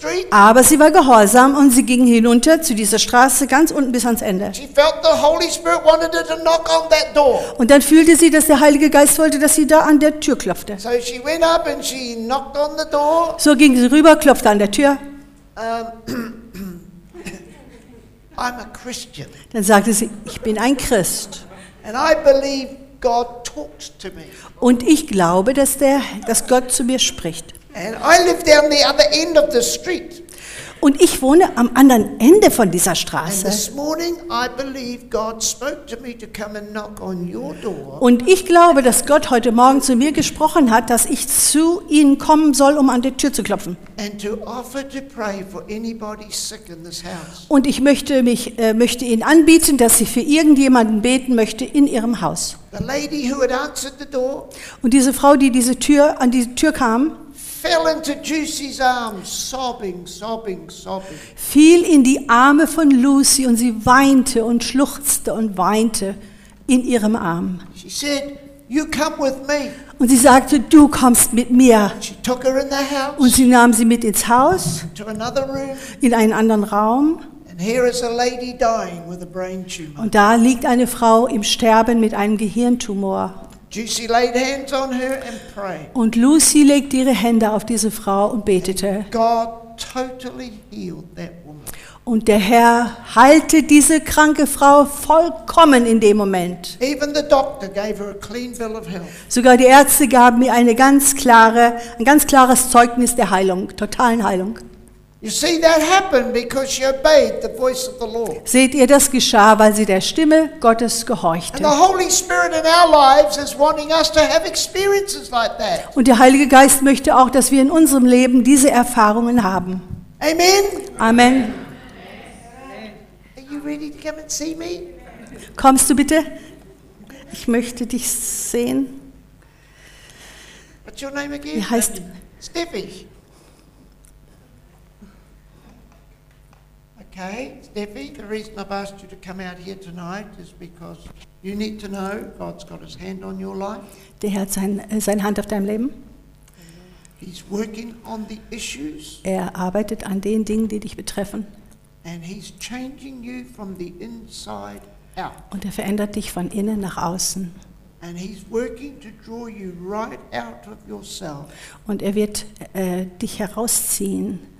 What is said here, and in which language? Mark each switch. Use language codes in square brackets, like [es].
[de] aber sie war gehorsam und sie ging hinunter zu dieser Straße ganz unten bis ans Ende. [en] She felt the Holy Spirit wanted her to knock on that door. [de] Und dann fühlte sie, dass der Heilige Geist wollte, dass sie da an der Tür klopfte. [en] So, she went up and she knocked on the door. [de] So ging sie rüber, klopfte an der Tür. [en] I'm a Christian. [de] Dann sagte sie, ich bin ein Christ. [en] And I believe God talks to me. [de] Und ich glaube, dass Gott zu mir spricht. [en] And I live down the other end of the street. [de] Und ich wohne am anderen Ende von dieser Straße. [en] And this morning I believe God spoke to me to come and knock on your door. [de] Und ich glaube, dass Gott heute Morgen zu mir gesprochen hat, dass ich zu Ihnen kommen soll, um an die Tür zu klopfen. [en] And to offer to pray for anybody sick in this house. [de] Und ich möchte Ihnen anbieten, dass Sie für irgendjemanden beten möchte in Ihrem Haus. [en] The lady who had answered the door. [de] Und diese Frau, die diese Tür an die Tür kam. [en] Fell into Juicy's arms, sobbing, sobbing, sobbing. [de] Fiel in die Arme von Lucy und sie weinte und schluchzte und weinte in ihrem Arm. [en] She said, "You come with me." [de] Und sie sagte, du kommst mit mir. [en] She took her in the house, [de] und sie nahm sie mit ins Haus, [en] to another room, [de] in einen anderen Raum. [en] And here is a lady dying with a brain tumor. [de] Und da liegt eine Frau im Sterben mit einem Gehirntumor. [en] Juicy laid hands on her and prayed. [de] Und Lucy legte ihre Hände auf diese Frau und betete. [en] And God totally healed that woman. [de] Und der Herr heilte diese kranke Frau vollkommen in dem Moment. [en] Even the doctor gave her a clean bill of health. [de] Sogar die Ärzte gaben mir ein ganz klares Zeugnis der Heilung, totalen Heilung. [en] You see, that happened because she obeyed the voice of the Lord. [de] Seht ihr, das geschah, weil sie der Stimme Gottes gehorchte. [en] And the Holy Spirit in our lives is wanting us to have experiences like that. [de] Und der Heilige Geist möchte auch, dass wir in unserem Leben diese Erfahrungen haben. [en] Amen. [de] Amen. [en] Are you ready to come and see me? [de] Kommst du bitte? Ich möchte dich sehen. [en] What's your name again? [de] Wie heißt Steffi? [en] Okay, Steffi, the reason I've asked you to come out here tonight is because you need to know God's got his hand on your life. [de] Der Herr hat seine Hand auf deinem Leben. [en] He's working on the issues. [de] Er arbeitet an den Dingen, die dich betreffen. [en] And he's changing you from the inside out. [de] Und er verändert dich von innen nach außen. [en] And he's working to draw you right out of yourself. [de] Und er wird dich herausziehen.